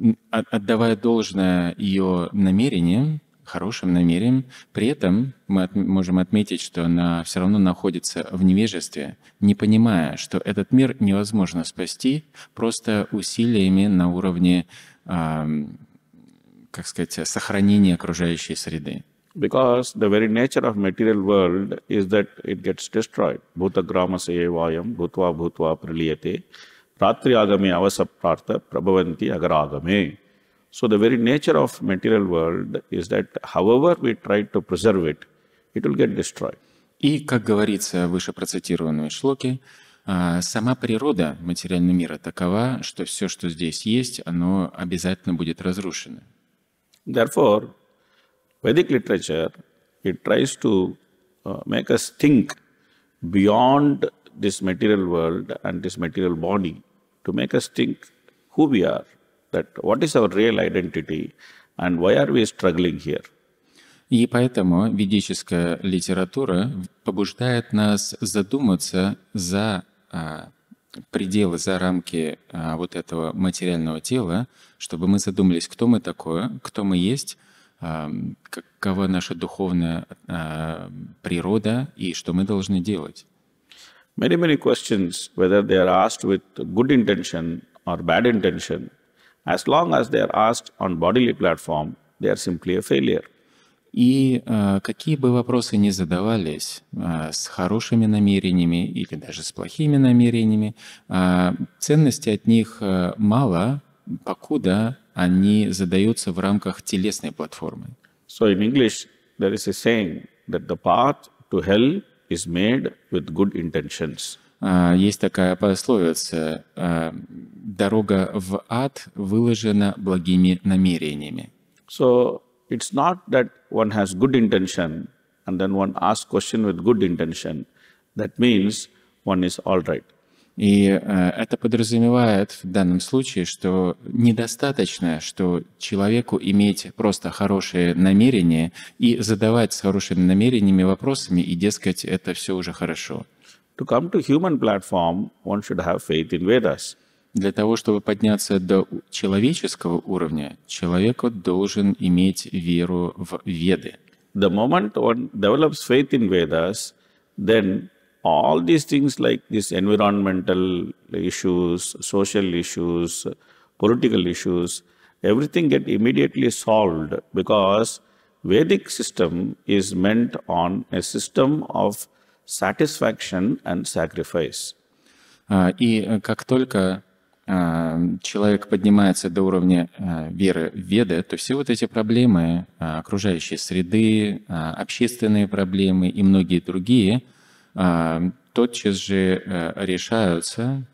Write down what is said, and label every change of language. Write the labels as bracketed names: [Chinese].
[Russian] Отдавая должное ее намерениям, хорошим намерениям, при этом мы можем отметить, что она все равно находится в невежестве, не понимая, что этот мир невозможно спасти просто усилиями на уровне, как сказать, сохранения окружающей среды. [English] Because the very nature of material world is that it gets destroyed. [Sanskrit] Bhuta gramasa evayam bhutva bhutva priliyate. Ratri agame avasaprartha prabhavanti agaragame. [English] So the very nature of material world is that however we try to preserve it, it will get destroyed. [Russian] И, как говорится в выше процитированной шлоке, сама природа материального мира такова, что все, что здесь есть, оно обязательно будет разрушено. [English] Therefore, Vedic literature, it tries to make us think beyond this material world and this material body, to make us think who we are, that what is our real identity and why are we struggling here. [Russian] И поэтому ведическая литература побуждает нас задуматься за пределы, за рамки вот этого материального тела, чтобы мы задумались, кто мы такое, кто мы есть, какова наша духовная природа и что мы должны делать. [English] Many, many questions, whether they are asked with good intention or bad intention, as long as they are asked on bodily platform, they are simply a failure. [Russian] И какие бы вопросы ни задавались, с хорошими намерениями или даже с плохими намерениями, ценности от них мало, покуда они задаются в рамках телесной платформы. [English] So in English there is a saying that the path to hell is made with good intentions. [Russian] Есть такая пословица: дорога в ад выложена благими намерениями. [English] So it's not that one has good intention and then one asks question with good intention. That means one is all right. [Russian] И это подразумевает в данном случае, что недостаточно, что человеку иметь просто хорошие намерения и задавать с хорошими намерениями вопросами, и, дескать, это все уже хорошо. [English] To come to human platform, one should have faith in Vedas. [Russian] Для того, чтобы подняться до человеческого уровня, человек должен иметь веру в Веды. [English] The moment one develops faith in Vedas, then all these things like this environmental issues, social issues, political issues, everything get immediately solved because Vedic system is meant on a system of satisfaction and sacrifice. [Russian] И как только человек поднимается до уровня веры в Веды, то все вот эти проблемы окружающей среды, общественные проблемы и многие другие тотчас же решаются.